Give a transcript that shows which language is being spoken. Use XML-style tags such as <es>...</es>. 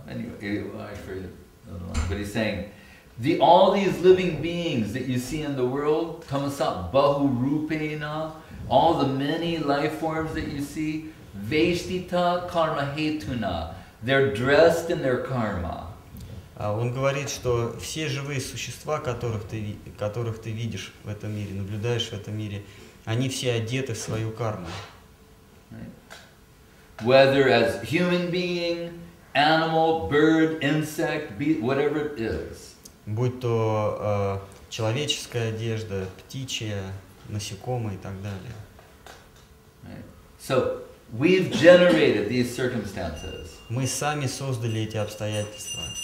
<en>Anyway, I forget, but he's saying, all these living beings that you see in the world,</en> <sa>tamasa bahu rupena,</sa> <en>all the many life forms that you see,</en> <sa>veshtita karma hetuna,</sa> <en>they're dressed in their karma.</en> <ru>Он говорит, что все живые существа, которых ты видишь в этом мире, наблюдаешь в этом мире, они все одеты в свою карму.</ru> <en>Right. Whether as human being, animal, bird, insect, beast, whatever it is.</en> <ru>Будь то человеческая одежда, птичья, насекомые и так далее.</ru> <en>Right. So we've generated these circumstances.</en> <ru>Мы сами создали эти обстоятельства.</ru>